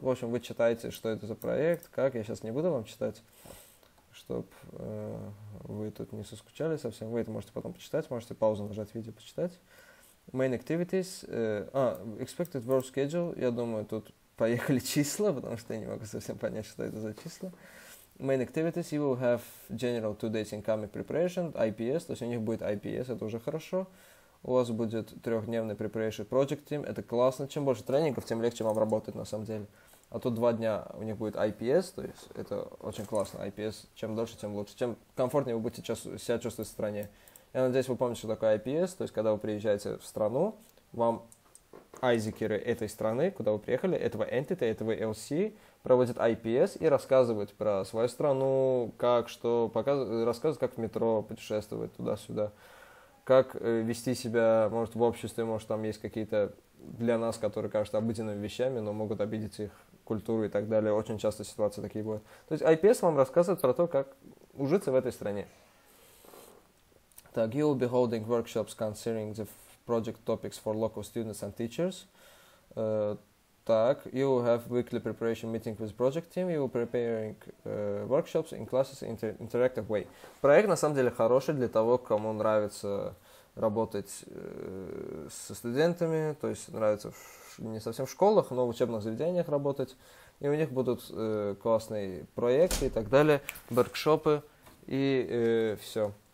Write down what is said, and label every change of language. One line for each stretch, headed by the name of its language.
Russian: В общем, вы читаете, что это за проект, как. Я сейчас не буду вам читать, чтобы вы тут не соскучали совсем. Вы это можете потом почитать, можете паузу нажать видео, почитать.
English: Main activities. Expected work schedule.
Russian: Я думаю, тут поехали числа, потому что я не могу совсем понять, что это за числа.
English: Main activities. You will have general two-day incoming preparation, IPS.
Russian: То есть у них будет IPS, это уже хорошо. У вас будет трехдневный
English: preparation project team.
Russian: Это классно. Чем больше тренингов, тем легче вам работать на самом деле. А тут 2 дня у них будет IPS. То есть это очень классно. IPS. Чем дольше, тем лучше. Чем комфортнее вы будете себя чувствовать в стране. Я надеюсь, вы помните, что такое IPS, то есть когда вы приезжаете в страну, вам айзекеры этой страны, куда вы приехали, этого entity, этого LC, проводят IPS и рассказывают про свою страну, как что, рассказывают, как в метро путешествовать туда-сюда, как вести себя, может, в обществе, может, там есть какие-то для нас, которые кажутся обыденными вещами, но могут обидеть их культуру и так далее. Очень часто ситуации такие бывают. То есть IPS вам рассказывает про то, как ужиться в этой стране.
English: Так, you will be holding workshops considering the project topics for local students and teachers. Так, you will have weekly preparation meeting with project team. You will preparing workshops in classes in interactive way.
Russian: Проект на самом деле хороший для того, кому нравится работать со студентами, то есть нравится не совсем в школах, но в учебных заведениях работать. И у них будут классные проекты и так далее, воркшопы и все.